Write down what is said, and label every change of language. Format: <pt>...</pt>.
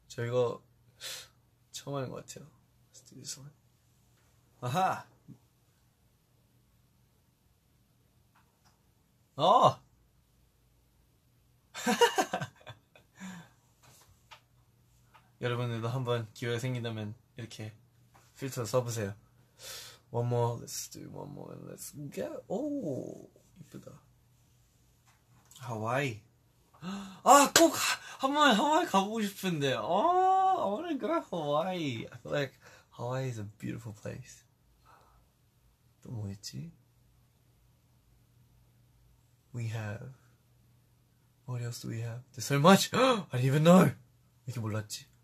<ko>저 이거 처음 하는 것 같아요. 스튜디오에서. 아하! 어! 여러분들도 한번 기회가 생긴다면 이렇게 필터 써보세요.</ko> <en>One more, let's do one more and let's go.</en> <ko>오! 이쁘다. 하와이. 아, 꼭 한번 가보고 싶은데.</ko> <en>아, I wanna go to Hawaii. I feel like Hawaii is a beautiful place.</en> <ko>또 뭐 있지?</ko> <en>We have. What else do we have? There's so much! I didn't even know!</en> <ko>이렇게 몰랐지.</ko>